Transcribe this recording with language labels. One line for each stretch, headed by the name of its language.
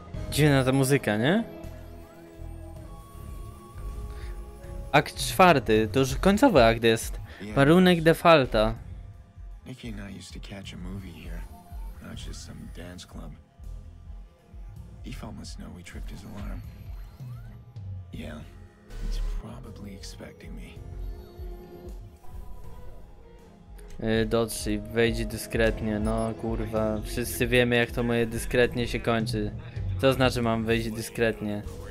Polish: Dziwna ta muzyka, nie? Akt czwarty, to już końcowy akt jest. Warunek defalta.
English: Nikki and I used to catch a movie here, not just some dance club. Default must know we tripped his alarm. Yeah, he's probably expecting me.
Polish: Dotrzy, wejdź dyskretnie. No kurwa, wszyscy wiemy jak to moje dyskretnie się kończy. To znaczy mam wejść dyskretnie.